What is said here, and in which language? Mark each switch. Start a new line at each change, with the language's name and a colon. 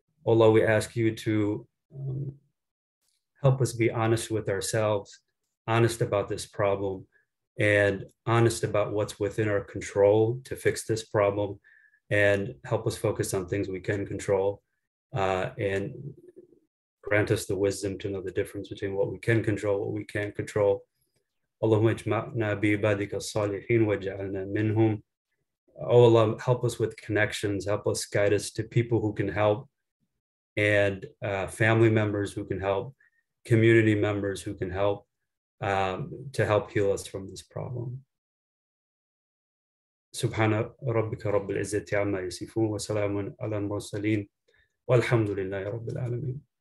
English: Allah, we ask you to help us be honest with ourselves, honest about this problem, and honest about what's within our control to fix this problem, and help us focus on things we can control, and grant us the wisdom to know the difference between what we can control, what we can't control.
Arabic: اللهم اجمعنا بعبادك الصالحين وجعلنا منهم.
English: Oh Allah, help us with connections. Help us guide us to people who can help and family members who can help, community members who can help to help heal us from this problem.
Arabic: سبحان ربك رب العزة عما يصفون وسلام على المرسلين والحمد لله رب العالمين.